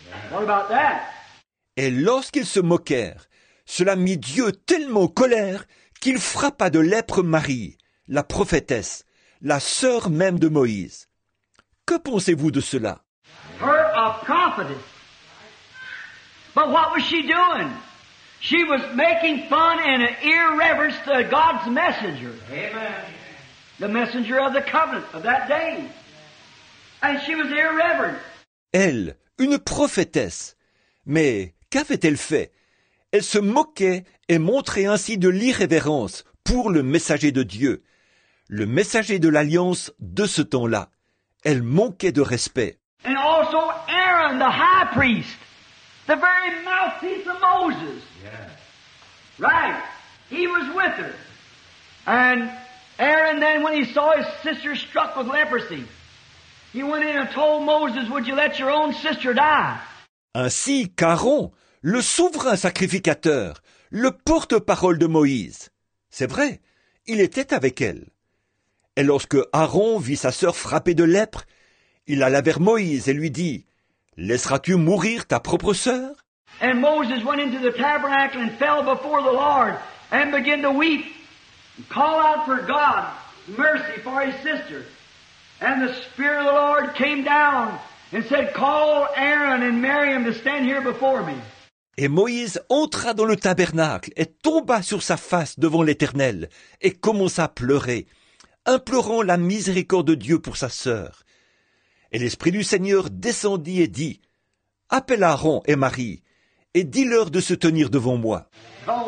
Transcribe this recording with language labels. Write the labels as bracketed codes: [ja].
[en] What about that? [fr] Et lorsqu'ils se moquèrent, cela mit Dieu tellement en colère qu'il frappa de lèpre Marie, la prophétesse, la sœur même de Moïse. Que pensez-vous de cela? [en] Her a prophetess. But what was she doing? She was making fun and an irreverence to God's messenger. Amen. The messenger of the covenant of that day. And she was irreverent. [fr] Elle, une prophétesse. Mais qu'avait-elle fait? Elle se moquait et montrait ainsi de l'irrévérence pour le messager de Dieu. Le messager de l'Alliance de ce temps-là. Elle manquait de respect. [en] And also Aaron, the high priest, the very mouthpiece of Moses. Yeah. Right. He was with her. And Aaron then, when he saw his sister struck with leprosy, he went in and told Moses, would you let your own sister die? [fr] Ainsi, Aaron, le souverain sacrificateur, le porte-parole de Moïse. C'est vrai, il était avec elle. Et lorsque Aaron vit sa sœur frappée de lèpre, il alla vers Moïse et lui dit, « Laisseras-tu mourir ta propre sœur ?» [en] And Moses went into the tabernacle and fell before the Lord and began to weep, call out for God, mercy for his sister. And the Spirit of the Lord came down and said, « Call Aaron and Miriam to stand here before me. » [fr] Et Moïse entra dans le tabernacle et tomba sur sa face devant l'Éternel et commença à pleurer, implorant la miséricorde de Dieu pour sa sœur. Et l'Esprit du Seigneur descendit et dit, « Appelle Aaron et Marie, et dis-leur de se tenir devant moi. »